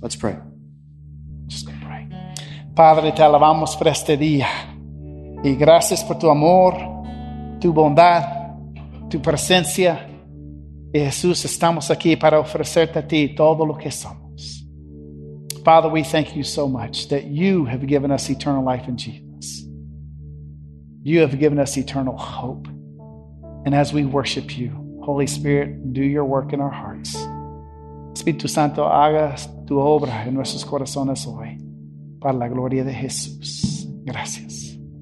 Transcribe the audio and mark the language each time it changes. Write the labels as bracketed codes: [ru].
[en] Let's pray. Just gonna pray. [es] Padre, te alabamos por este día. Y gracias por tu amor, tu bondad, tu presencia. Y Jesús, estamos aquí para ofrecerte a ti todo lo que somos. [en] Father, we thank you so much that you have given us eternal life in Jesus. You have given us eternal hope. And as we worship you, Holy Spirit, do your work in our hearts. [es] Espíritu Santo, haga tu obra en nuestros corazones hoy. Para la gloria de Jesús. Gracias.